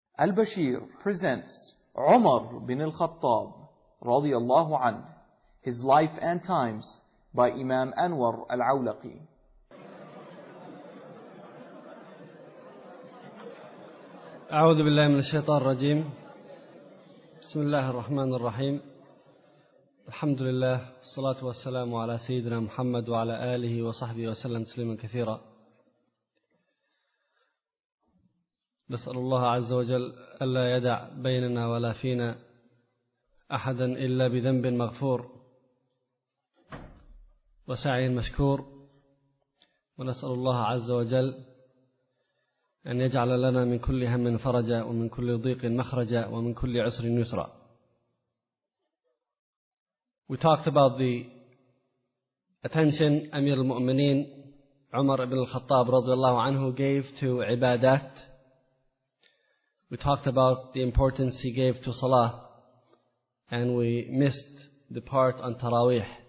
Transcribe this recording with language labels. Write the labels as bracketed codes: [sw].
[en] Al-Bashir presents Umar bin al-Khattab, radiallahu anhu, his life and times by Imam Anwar al-Awlaqi. [ar] أعوذ بالله من الشيطان الرجيم بسم الله الرحمن الرحيم الحمد لله والصلاة والسلام على سيدنا محمد وعلى آله وصحبه وسلم تسليما كثيرا نسأل الله عز وجل ألا يدع بيننا ولا فينا أحدا إلا بذنب مغفور وسعي مشكور ونسأل الله عز وجل أن يجعل لنا من كل هم فرجا ومن كل ضيق مخرجا ومن كل عسر يسرا. [en] We talked about the attention Amir al-Mu'mineen Umar ibn al-Khattab radiallahu anhu gave to ibadat. We talked about the importance he gave to salah, and we missed the part on taraweeh.